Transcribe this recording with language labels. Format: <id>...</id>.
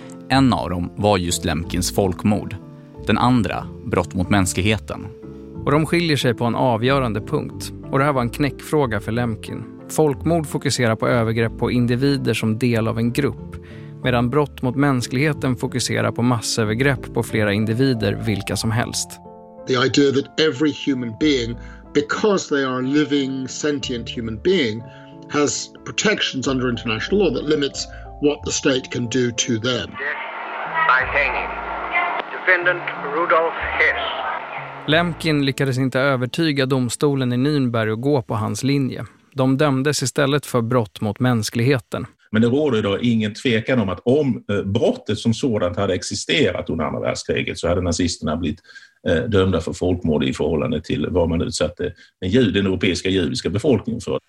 <sv>En av dem var just Lemkins folkmord. Den andra, brott mot mänskligheten. Och de skiljer sig på en avgörande punkt. Och det här var en knäckfråga för Lemkin. Folkmord fokuserar på övergrepp på individer som del av en grupp, medan brott mot mänskligheten fokuserar på massövergrepp på flera individer, vilka som helst.</sv> <en>The idea that every human being, because they are a living, sentient human being, has protections under international law that limits what the state can do to them. By hanging. Defendant Rudolf Hess.</en> <sv>Lemkin lyckades inte övertyga domstolen i Nürnberg att gå på hans linje. De dömdes istället för brott mot mänskligheten. Men det råder då ingen tvekan om att om brottet som sådant hade existerat under andra världskriget, så hade nazisterna blivit dömda för folkmord i förhållande till vad man utsatte den europeiska judiska befolkningen för.</sv>